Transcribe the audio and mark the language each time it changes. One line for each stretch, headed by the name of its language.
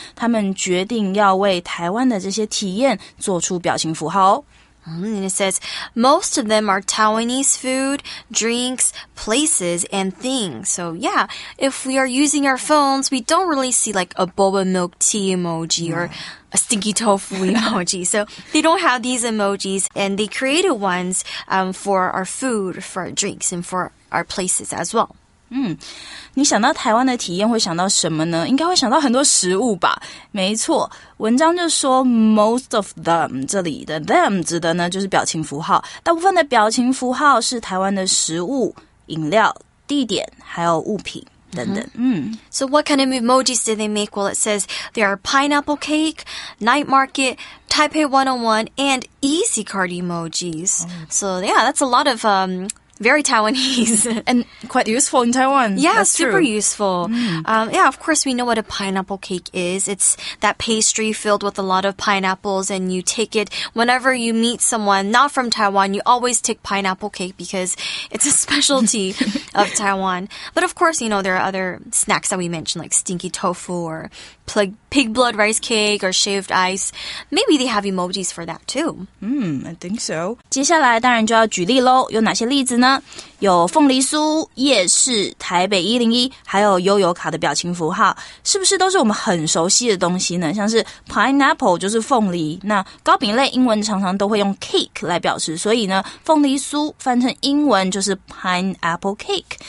Chinese: 他们决定要为台湾的这些体验做出表情符号。
English: And it says, most of them are Taiwanese food, drinks, places, and things. So yeah, if we are using our phones, we don't really see like a boba milk tea emoji or a stinky tofu emoji. So they don't have these emojis, and they created ones for our food, for our drinks, and for our places as well.
Chinese: 你想到台湾的体验会想到什么呢？应该会想到很多食物吧。没错，文章就说
English: most of them，
Chinese: 这里的 them 指的呢就是表情符号，大部分的表情符号是台湾的食物、饮料、地点还有物品等等。
English: So what kind of emojis did they make? Well, it says there are pineapple cake, night market, Taipei 101 and easy card emojis. So yeah, that's a lot of very Taiwanese. And quite useful in Taiwan. Yeah, that's super、 true. Useful.、Mm. Yeah, of course, we know what a pineapple cake is. It's that pastry filled with a lot of pineapples, and you take it whenever you meet someone not from Taiwan. You always take pineapple cake because it's a specialty of Taiwan. But of course, you know, there are other snacks that we mentioned, like stinky tofu or pig blood rice cake or shaved ice. Maybe they have emojis for that, too. I think so.
Chinese: 接下来当然就要举例咯，有哪些例子呢？有凤梨酥、夜市、台北101，还有悠游卡的表情符号，是不是都是我们很熟悉的东西呢？像是 pineapple 就是凤梨，那糕饼类英文常常都会用 cake 来表示，所以呢，凤梨酥翻成英文就是 pineapple cake。